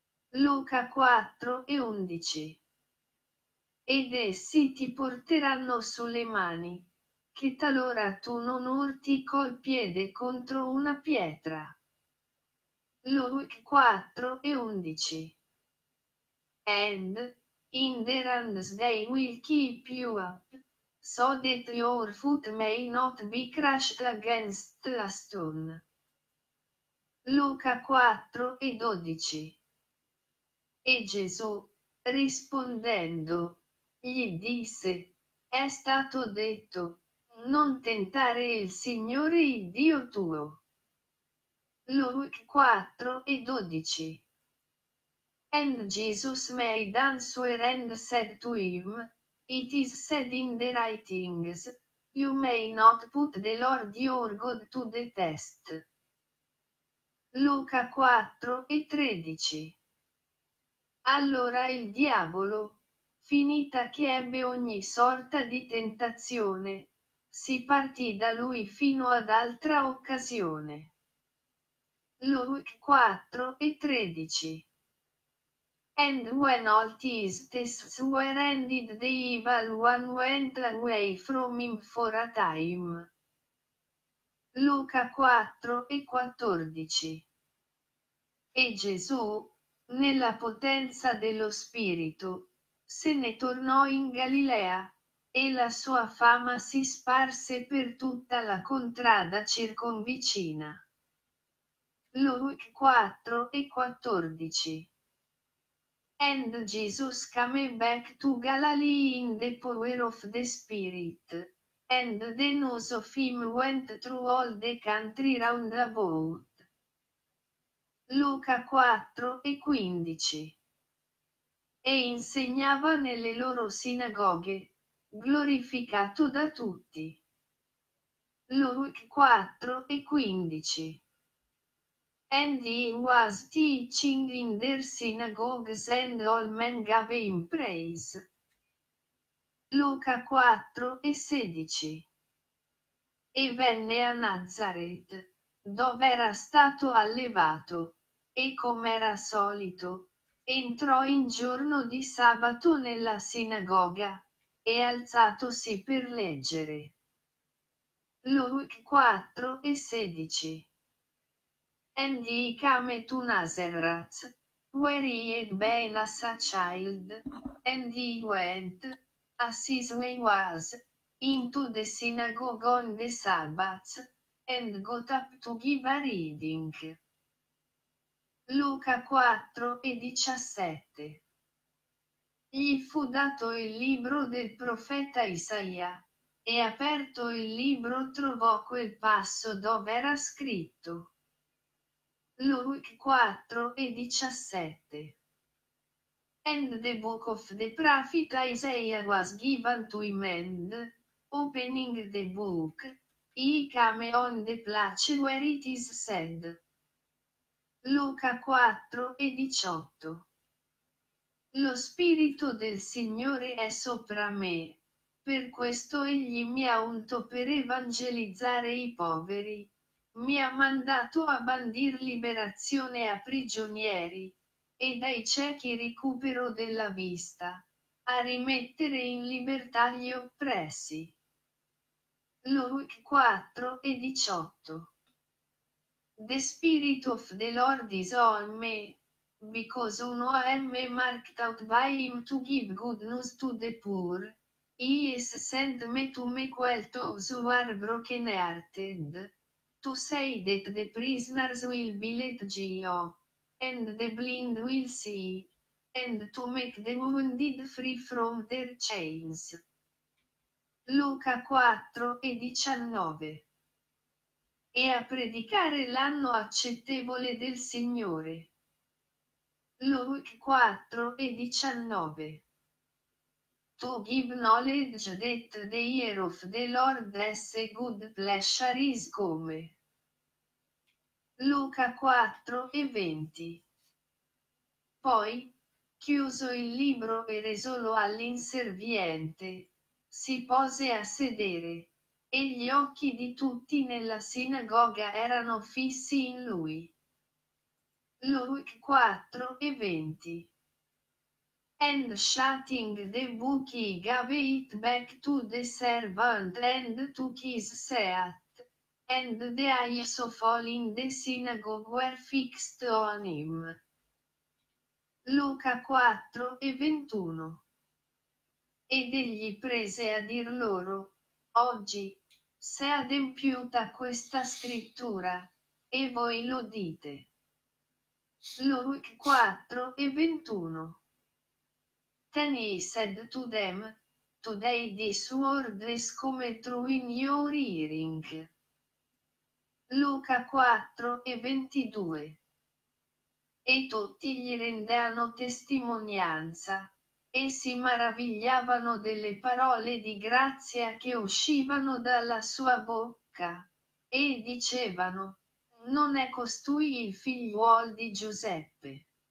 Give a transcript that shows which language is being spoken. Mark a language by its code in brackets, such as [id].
[it] Luca 4 e 11. Ed essi ti porteranno sulle mani, che talora tu non urti col piede contro una pietra. [en] Luke 4 e 11. And, in the hands they will keep you up, so that your foot may not be crushed against a stone. [it] Luca 4 e 12. E Gesù, rispondendo, gli disse, è stato detto, non tentare il Signore il Dio tuo. [en] Luke 4 e 12. And Jesus made answer and said to him, it is said in the writings, you may not put the Lord your God to the test. [it] Luca 4 e 13. Allora il diavolo, finita che ebbe ogni sorta di tentazione, si partì da lui fino ad altra occasione. [en] Luke 4 e 13. And when all these tests were ended, the evil one went away from him for a time. [it] Luca 4 e 14. E Gesù, nella potenza dello Spirito, se ne tornò in Galilea, e la sua fama si sparse per tutta la contrada circonvicina. [en] Luke 4 e 14. And Jesus came back to Galilee in the power of the Spirit, and the news of him went through all the country round about. [it] Luca 4 e 15. E insegnava nelle loro sinagoghe, glorificato da tutti. [en] Luke 4 e 15. And he was teaching in their synagogues and all men gave him praise. [it] Luca 4 e 16. E venne a Nazareth, dove era stato allevato, e com'era solito, entrò in giorno di sabato nella sinagoga, e alzatosi per leggere. Luca 4 e 16. [en] And he came to Nazareth, where he had been as a child, and he went, as his way was, into the synagogue on the Sabbath, and got up to give a reading. [it] Luca 4 e 17. Gli fu dato il libro del profeta Isaia. E aperto il libro trovò quel passo dove era scritto. [en] Luke 4:17. And the book of the prophet Isaiah was given to him and, opening the book, he came on the place where it is said. [it] Luca 4:18. Lo spirito del Signore è sopra me. Per questo egli mi ha unto per evangelizzare i poveri. Mi ha mandato a bandir liberazione a prigionieri, e dai ciechi recupero della vista, a rimettere in libertà gli oppressi. [en] Luke 4:18. The Spirit of the Lord is on me, because uno am marked out by him to give good news to the poor. He has sent me to make those who are broken hearted, to say that the prisoners will be let go, and the blind will see, and to make the wounded free from their chains. [it] Luca 4:19. E a predicare l'anno accettevole del Signore. [en] Luke 4:19. To give knowledge that the year of the Lord has a good pleasure is come. [it] Luca 4:20. Poi, chiuso il libro e resolo all'inserviente, si pose a sedere, e gli occhi di tutti nella sinagoga erano fissi in lui. [en] Luke 4:20. And shutting the book he gave it back to the servant and took his seat, and the eyes of all in the synagogue were fixed on him. [it] Luca 4:21. Ed egli prese a dir loro, oggi, s'è adempiuta questa scrittura, e voi lo dite. [en] Luke 4:21. Then he said to them, today this word is come true in your hearing. [it] Luca 4:22. E tutti gli rendeano testimonianza, e si maravigliavano delle parole di grazia che uscivano dalla sua bocca, e dicevano, non è costui il figliuol di Giuseppe.